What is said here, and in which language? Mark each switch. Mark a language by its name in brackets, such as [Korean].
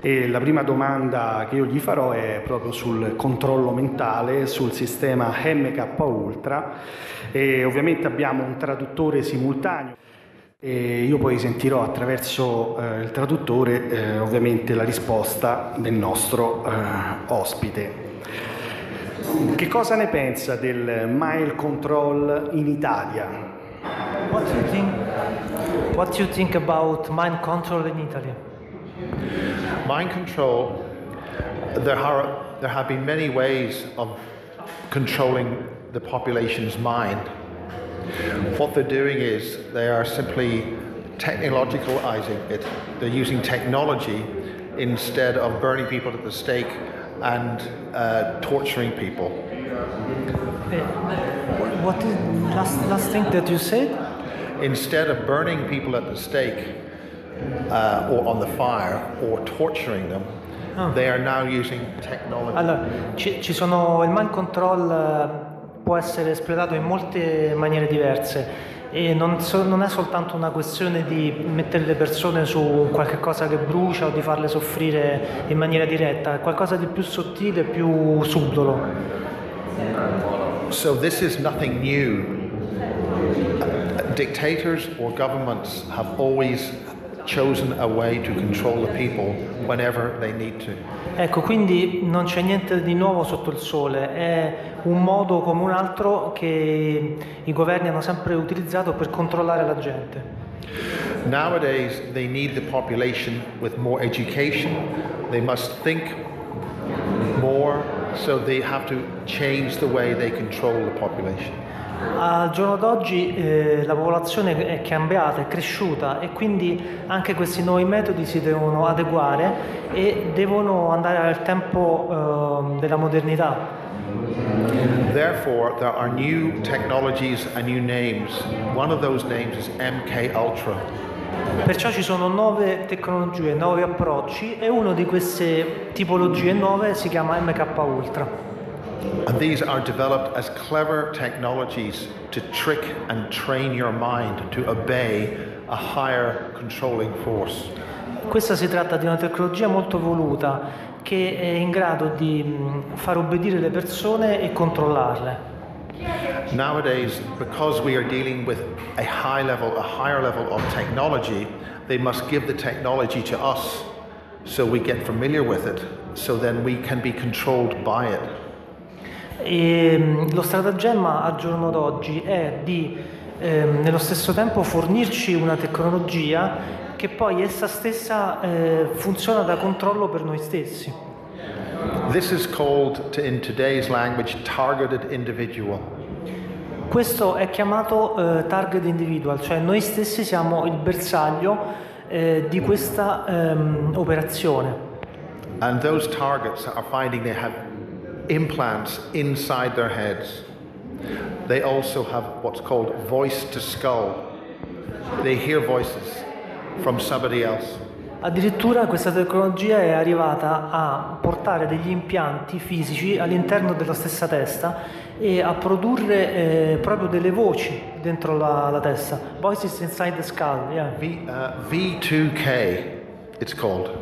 [Italian] E la prima domanda che io gli farò è proprio sul controllo mentale, sul sistema MK-Ultra, e ovviamente abbiamo un traduttore simultaneo e io poi sentirò attraverso il traduttore ovviamente la risposta del nostro ospite. Che cosa ne pensa del mind control in Italia? [English] What do you think about mind control in Italy? Mind control, there have been many ways of controlling the population's mind. What they're doing is they are simply technologicalizing it. They're using technology instead of burning people at the stake and torturing people. What is last thing that you said? Instead of burning people at the stake or on the fire or torturing them, They are now using technology. [Italian] Allora, ci sono, il mind control può essere esplorato in molte maniere diverse e non è soltanto una questione di mettere le persone su qualche cosa che brucia o di farle soffrire in maniera diretta, è qualcosa di più sottile, più subdolo. [English] So this is nothing new. Dictators or governments have always chosen a way to control the people whenever they need to. [Italian] Ecco, quindi non c'è niente di nuovo sotto il sole, è un modo come un altro che i governi hanno sempre utilizzato per controllare la gente. [English] Nowadays they need the population with more education, they must think more, so they have to change the way they control the population. [Italian] Al giorno d'oggi la popolazione è cambiata, è cresciuta e quindi anche questi nuovi metodi si devono adeguare e devono andare al tempo della modernità. [English] Therefore there are new technologies and new names. One of those names is MK Ultra. [Italian] Perciò ci sono nuove tecnologie, nuovi approcci e uno di queste tipologie nuove si chiama MK Ultra. [English] And these are developed as clever technologies to trick and train your mind to obey a higher controlling force. [Italian] Questa si tratta di una tecnologia molto evoluta che è in grado di far obbedire le persone e controllarle. [English] Nowadays, because we are dealing with a higher level of technology, they must give the technology to us so we get familiar with it, so then we can be controlled by it. [Italian] E lo stratagemma al giorno d'oggi è di nello stesso tempo fornirci una tecnologia che poi essa stessa funziona da controllo per noi stessi. [English] This is called, in today's language, targeted individual. [Italian] Questo è chiamato target individual, cioè noi stessi siamo il bersaglio di questa operazione. [English] And those targets are finding they have implants inside their heads. They also have what's called voice to skull. They hear voices from somebody else. [Italian] Addirittura questa tecnologia è arrivata a portare degli impianti fisici all'interno della stessa testa e a produrre proprio delle voci dentro la testa. [English] Voices inside the skull, yeah. V2K it's called.